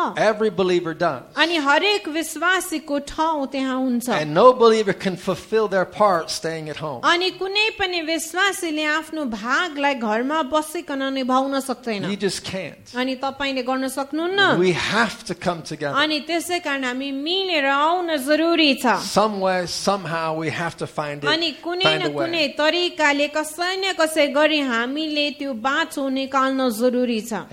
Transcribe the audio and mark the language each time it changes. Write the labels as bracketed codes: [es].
[en] Every believer does. And no believer can fulfill their part staying at home. [ne] विश्वासीले आफ्नो भागलाई घरमा बसिकन निभाउन सक्दैन. अनि तपाईले गर्न सक्नुहुन्न. [en] We have to come together. [ne] अनि त्यसै कारण हामी मिलेर आउन जरुरी छ. [en] Somewhere, somehow we have to find it. [ne] अनि कुनै न कुनै तरिकाले कसै न कसै गरी हामीले त्यो बाटो निकाल्न जरुरी छ.